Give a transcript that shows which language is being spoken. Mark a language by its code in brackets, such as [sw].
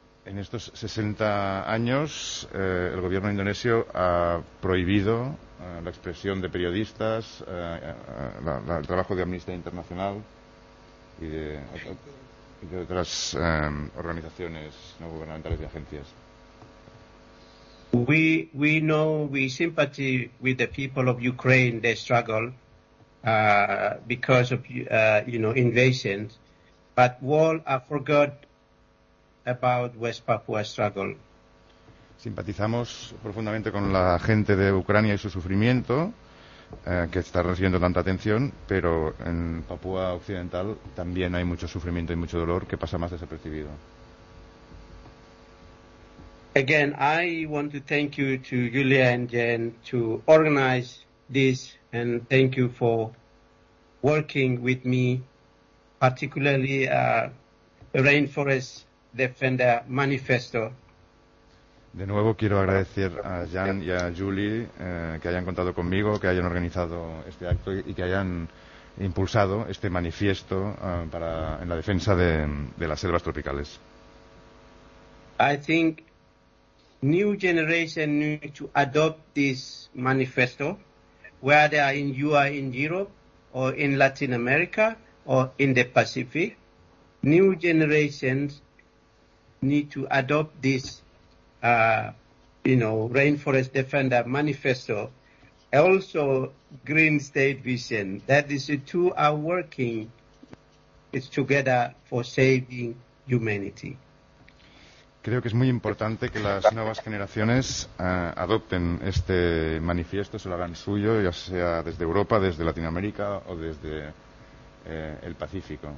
[es] En estos 60 años, el gobierno indonesio ha prohibido la expresión de periodistas, el trabajo de Amnistía Internacional y de otras organizaciones no gubernamentales y agencias. [en] We know we sympathy with the people of Ukraine, their struggle. Because of invasions, but world have forgot about West Papua struggle. [es] Simpatizamos profundamente con la gente de Ucrania y su sufrimiento, que está recibiendo tanta atención, pero en Papua Occidental también hay mucho sufrimiento y mucho dolor que pasa más desapercibido. [en] Again, I want to thank you to Julia and Jen to organize this, and thank you for working with me, particularly Rainforest Defender Manifesto. [es] De nuevo quiero agradecer a Jan y a Julie que hayan contado conmigo, que hayan organizado este acto y que hayan impulsado este manifiesto para en la defensa de las selvas tropicales. [en] I think new generation need to adopt this manifesto, whether in you are in Europe or in Latin America or in the Pacific. New generations need to adopt this Rainforest Defender Manifesto, also Green State Vision. That is, the two are working together for saving humanity. [es] Creo que es muy importante que las nuevas generaciones adopten este manifiesto, se lo hagan suyo, ya sea desde Europa, desde Latinoamérica o desde el Pacífico.